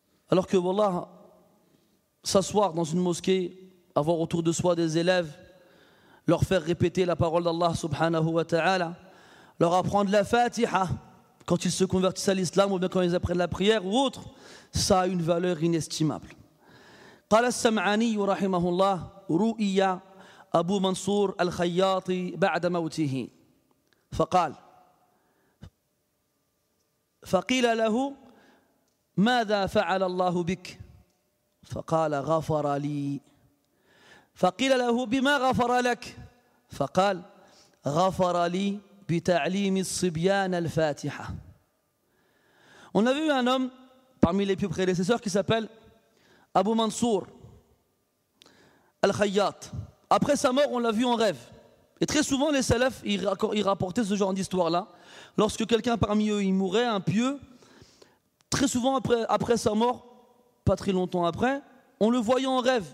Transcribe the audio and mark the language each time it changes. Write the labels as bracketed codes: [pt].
[fr] Alors que voilà, s'asseoir dans une mosquée, avoir autour de soi des élèves, leur faire répéter la parole d'Allah subhanahu wa ta'ala, leur apprendre la fatiha quand ils se convertissent à l'islam ou bien quand ils apprennent la prière ou autre, ça a une valeur inestimable. [ar] Qala al-Sam'ani rahimahullah ru'iya أبو منصور الخياطي بعد موته فقال فقيل له ماذا فعل الله بك فقال غفر لي فقيل له بما غفر لك فقال غفر لي بتعليم الصبيان الفاتحة. [fr] On avait eu un homme parmi les plus prédécesseurs qui s'appelle Abu Mansour Al-Khayyat. Après sa mort, on l'a vu en rêve. Et très souvent, les salafs, ils rapportaient ce genre d'histoire-là. Lorsque quelqu'un parmi eux, il mourait, un pieux, très souvent après sa mort, pas très longtemps après, on le voyait en rêve.